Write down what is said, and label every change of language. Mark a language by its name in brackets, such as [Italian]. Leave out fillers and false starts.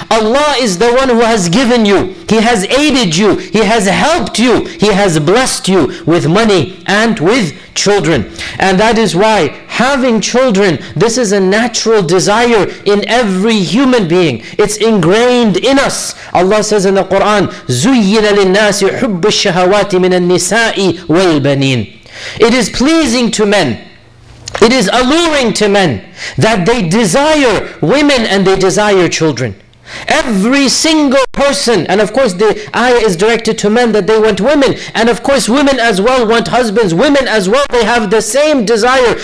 [English] Allah is the one who has given you, He has aided you, He has helped you, He has blessed you with money and with children. And that is why having children, this is a natural desire in every human being. It's ingrained in us. Allah says in the Quran, [Arabic] زُيِّنَ لِلنَّاسِ حُبُّ الشَّهَوَاتِ مِنَ النِّسَاءِ وَالْبَنِينَ. [English] It is pleasing to men, it is alluring to men, that they desire women and they desire children. Every single person, and of course the ayah is directed to men that they want women, and of course women as well want husbands, women as well, they have the same desire.